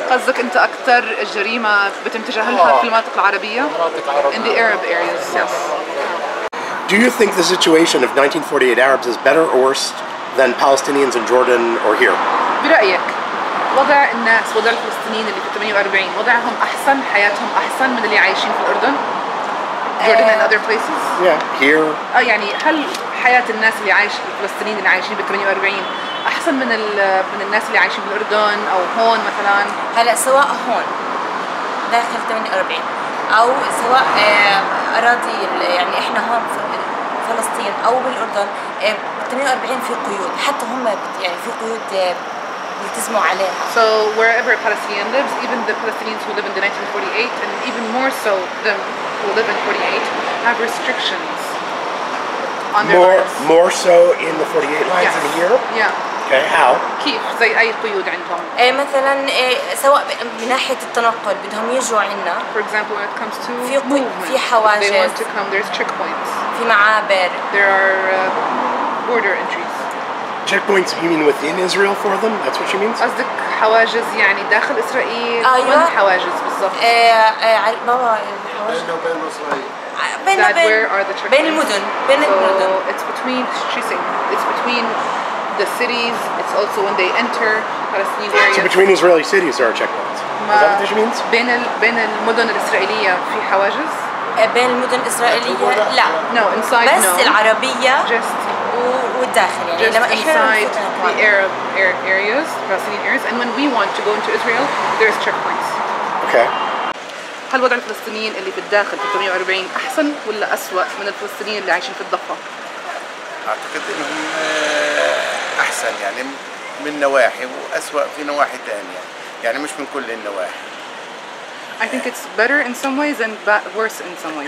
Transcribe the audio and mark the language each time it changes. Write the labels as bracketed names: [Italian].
[Arabic] قصدك أنت أكثر جريمة بتم تجاهلها في المناطق العربية؟ [English] In the Arab areas, yes. Do you think the situation of 1948 Arabs is better or worse than Palestinians in Jordan or here? [Arabic] برأيك وضع الناس وضع الفلسطينيين اللي في 48 وضعهم أحسن حياتهم أحسن من اللي عايشين في الأردن؟ [English] Jordan and other places? Yeah, here. [Arabic] آه يعني هل حياة الناس اللي عايش الفلسطينيين اللي عايشين في 48 أحسن من الناس اللي عايشين بالأردن أو هون مثلاً؟ هلا سواء هون داخل 48 أو سواء أراضي يعني إحنا هون فلسطين أو بالأردن 48 في قيود حتى هم يعني في قيود يلتزموا عليها. [English] So wherever a Palestinian lives, even the Palestinians who live in the 1948 and even more so them who live in 48 have restrictions on their lives. More so in the 48 lines than here. Yeah. Okay, how? [Arabic] كيف زي أي قيود عندهم؟ إيه مثلاً سواء من ناحية التنقل بدهم يجوا عنا. [English] For example, when it comes to [Arabic] في movement, في حواجز. [English] They want to come. There's checkpoints. [Arabic] في معابر. [English] There are border entries. Checkpoints? You mean within Israel for them? That's what she means. [Arabic] قصدك حواجز يعني داخل إسرائيل. أيوة. من حواجز بالضبط. إيه على بابا الحواجز. بين [English] إسرائيل. Where are the checkpoints? [Arabic] بين المدن. بين المدن. [English] So it's between. She's saying it's between. The cities. It's also when they enter Palestinian areas. So between Israeli cities, there are checkpoints. Is that what this means? [Arabic] بين بين المدن الإسرائيلية في حواجز. بين المدن الإسرائيلية لا. [English] No, inside. [Arabic] بس العربية. [English] Just. [Arabic] والداخل يعني. [English] Just inside the Arab areas, Palestinian areas, and when we want to go into Israel, there's checkpoints. Okay. [Arabic] هل وضع الفلسطينيين اللي بالداخل في 48 أحسن ولا أسوأ من الفلسطينيين اللي عايشين في الضفة؟ أعتقد إنهم أحسن يعني من نواحي وأسوأ في نواحي تانية يعني مش من كل النواحي. [English] I think it's better in some ways and worse in some ways.